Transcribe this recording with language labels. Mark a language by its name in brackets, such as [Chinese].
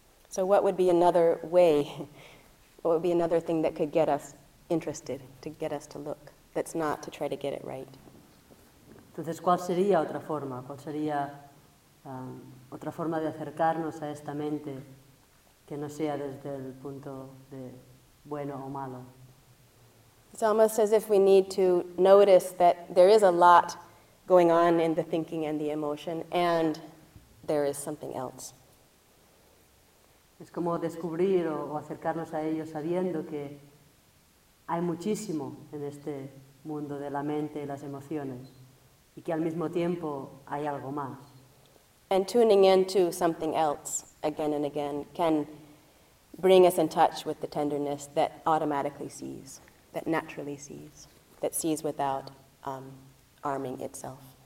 [English] So what would be another way? What would be another thing that could get us interested, to get us to look? That's not to try to get it right. [Spanish] Entonces, ¿cuál sería otra forma? ¿Cuál sería otra forma de acercarnos a esta mente que no sea desde el punto de bueno o malo? [English] It's almost as if we need to notice that there is a lot going on in the thinking and the emotion, and there is something else. [Spanish] Es como descubrir o acercarnos a ello sabiendo que hay muchísimo en este mundo de la mente y las emociones y que al mismo tiempo hay algo más. [English] And tuning into something else again and again can bring us in touch with the tenderness that automatically sees, that naturally sees, that sees without arming itself.